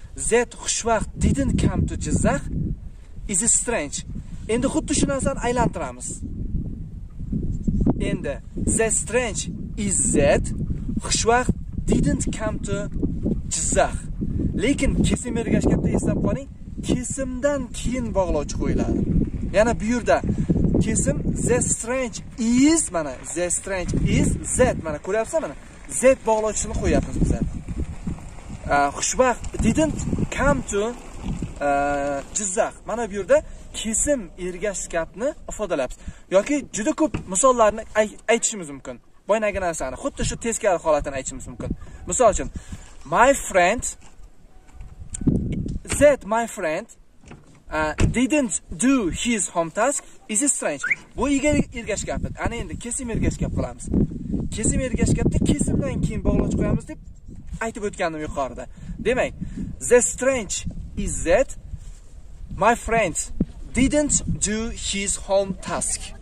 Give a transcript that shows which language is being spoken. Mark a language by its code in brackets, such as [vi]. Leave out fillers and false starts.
[en] Z xushvaqt didn't come to Jizzax is strange. [uz] Endi xuddi shu narsani aylantiramiz. Endi [en] Z strange is Z xushvaqt didn't come to Jizzax. [uz] Lekin kesim ergashgapda eslab qoling, kesimdan keyin bog'lovchi qo'yiladi. Yana bu yerda kesim Z strange is mana [en] Z strange is Z [uz] mana ko'ryapsizmi mana? Z bog'lovchisini qo'yapmiz biz. [en] Xushvaqt didn't come to Jizzax. [uz] Mana bu yerda kesim ergashgapni ifodalayapmiz. Yoki juda ko'p misollarni aytishimiz mumkin. Boyinagi narsani xuddi shu teskari holatini aytishimiz mumkin. Misol uchun [en] my friend Z my friend didn't do his home task is strange. [uz] Bu ega ergashgap. Ana endi kesim ergashgap qilamiz. Kesim ergashgapda kesimdan keyin bog'lovchi qo'yamiz deb aytib o'tgandim yuqorida. Demak, [en] the strange is that my friend didn't do his home task.